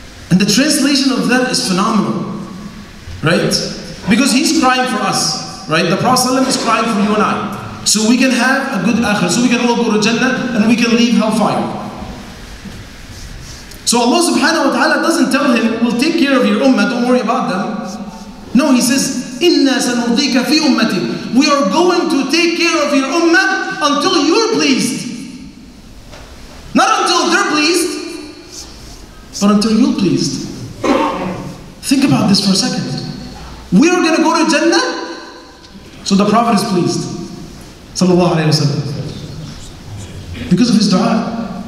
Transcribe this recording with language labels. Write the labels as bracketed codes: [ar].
[en] And the translation of that is phenomenal. Right? Because he's crying for us, right? The Prophet is crying for you and I. So we can have a good akhirah. So we can all go to Jannah and we can leave hellfire. So Allah subhanahu wa ta'ala doesn't tell him, we'll take care of your ummah, don't worry about them. No, he says, [ar] إِنَّا سَنُضِيكَ فِي أُمَّتِكَ. [en] We are going to take care of your ummah until you're pleased. Not until they're pleased, but until you're pleased. Think about this for a second. We are going to go to Jannah, so the Prophet is pleased, sallallahu alayhi wa sallam, because of his dua.